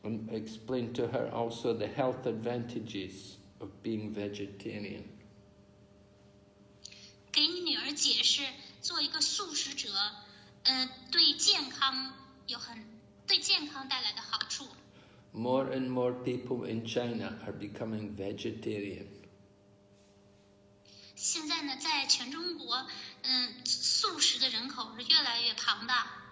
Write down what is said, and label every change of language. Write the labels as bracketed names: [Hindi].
[English] explain to her also the health advantages of being vegetarian. [Chinese] 给你女儿解释，做一个素食者，对健康带来的好处。 [English] More and more people in China are becoming vegetarian. [Chinese] 现在呢，在全中国，素食的人口是越来越庞大。